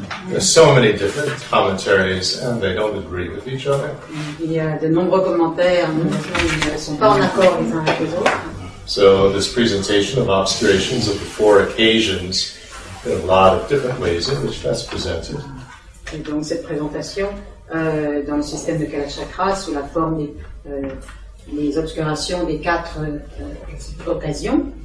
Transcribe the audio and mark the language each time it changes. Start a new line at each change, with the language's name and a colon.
English: There's so many different commentaries and they don't agree with each other.
French: Il y a de nombreux commentaires, ne sont pas en accord les uns avec les autres.
English: So this presentation of obscurations of the four occasions, there are a lot of different ways in which that's presented.
French: Et donc cette présentation dans le système de Kalachakra sous la forme des les obscurations des quatre occasions